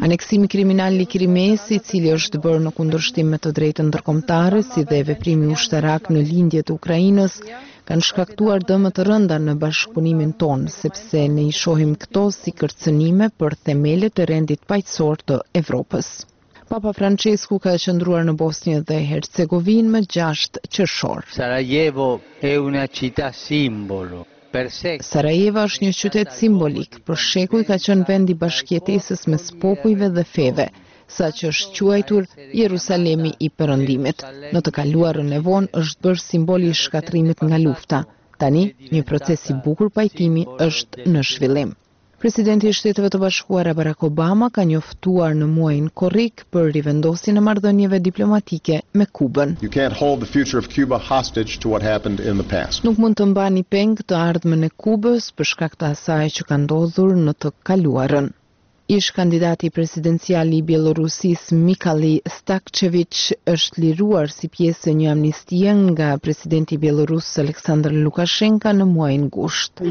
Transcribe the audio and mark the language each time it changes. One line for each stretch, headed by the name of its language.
Albanian: Aneksimi kriminal i Krimes, i cili është bërë në kundërshtim me të drejtën ndërkombëtare, si dhe veprimi ushtarak në lindje të Ukrainës, kanë shkaktuar dëmë të rënda në bashkëpunimin ton, sepse ne i shohim këto si kërcënime për themelet të rendit paqësor të Evropës. Papa Francesku ka qëndruar në Bosnjë dhe Hercegovinë më 6 qershor.
Italian: Sarajevo è una città simbolo.
Albanian: Sarajevo është një qytet simbolik, për shekuj ka qenë vendi bashkëjetesës mes popujve dhe feve, sa që është quajtur Jerusalemi i Perëndimit. Në të kaluarën e vonë është bërë simboli i shkatrimit nga lufta. Tani, një proces i bukur pajtimi është në zhvillim. Presidenti i Shteteve të Bashkuara Barack Obama ka njoftuar në muajin korrik për rivendosjen e marrëdhënieve diplomatike me Kubën.
English: You can't hold the future of Cuba hostage to what happened in the past.
Albanian: Nuk mund të mbani peng të ardhmen e Kubës për shkak të asaj që ka ndodhur në të kaluarën. Ish kandidati presidencial i Bielorusis Mikhali Stakcevich është liruar si pjesë një amnistie nga presidenti Bielorus Aleksandr Lukashenka në muajin gusht.